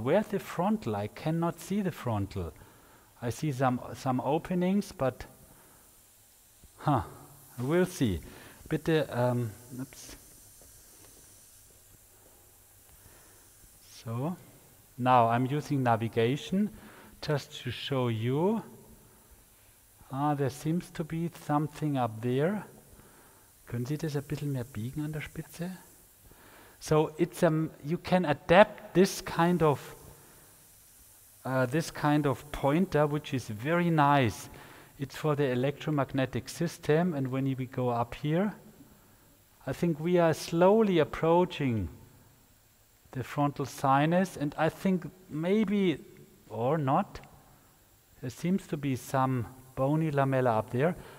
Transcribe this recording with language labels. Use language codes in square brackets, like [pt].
[en] Where's the frontal? I cannot see the frontal. I see some openings, but we'll see. [de] Bitte, oops. [en] So, now I'm using navigation just to show you. There seems to be something up there. [de] Können Sie das ein bisschen mehr biegen an der Spitze? [en] So, it's you can adapt this kind of pointer, which is very nice. It's for the electromagnetic system, and when we go up here, I think we are slowly approaching the frontal sinus, and I think maybe, or not, there seems to be some bony lamella up there.